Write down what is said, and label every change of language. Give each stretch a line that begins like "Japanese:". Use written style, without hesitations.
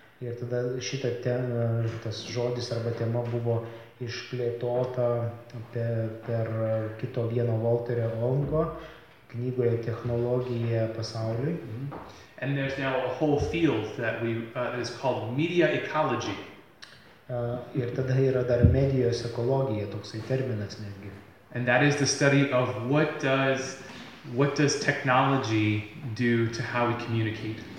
Lithuanian: Ir tada šita tema, tas žodis arba tema buvo išplėtota per kito vieno Walterio Ongo knygoje Technologija pasauliui.
English: And there's now a whole field that we that is called media ecology.
Lithuanian: Ir tada yra dar medijos ekologija, toksai terminas netgi.
English: And that is the study of what does technology do to how we communicate.